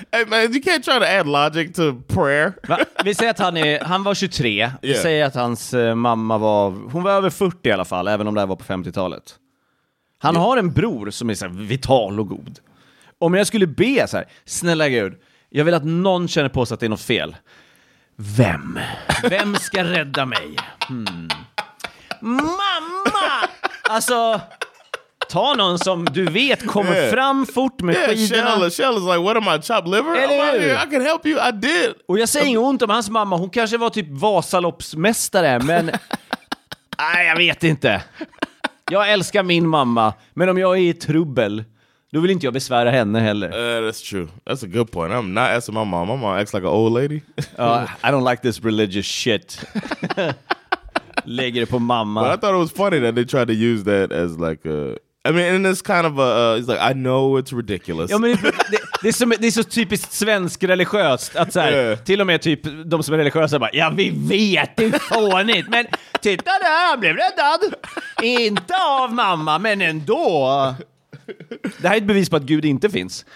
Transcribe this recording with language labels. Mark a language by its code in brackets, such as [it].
[en] Hey man, you can't try to add logic to prayer. [sv] Va? Vi säger att han var 23. Vi säger att hans mamma var... Hon var över 40 i alla fall, även om det var på 50-talet. Han har en bror som är så här vital och god. Om jag skulle be så här, snälla Gud, jag vill att någon känner på sig att det är något fel. Vem? Vem ska rädda mig? Mamma! Alltså... Ta någon som du vet kommer fram fort med skidorna. [en] Yeah, Shell is like, what am I, chopped liver? I can help you, I did. [sv] Och jag säger inget ont om hans mamma. Hon kanske var typ Vasaloppsmästare, men... Nej, jag vet inte. Jag älskar min mamma, men om jag är i trubbel, då vill inte jag besvära henne heller. [en] That's true. That's a good point. I'm not asking my mom. My mom acts like an old lady. I don't like this religious shit. [sv] Lägger det på mamma. [en] But I thought it was funny that they tried to use that as like a... I mean, and it's kind of a, it's like, I know it's ridiculous. [sv] Ja, men det är så typiskt svensk religiöst att så här, till och med typ de som är religiösa bara, ja, vi vet, det är fånigt, men titta där, han blev räddad. Inte av mamma, men ändå. Det här är ett bevis på att Gud inte finns.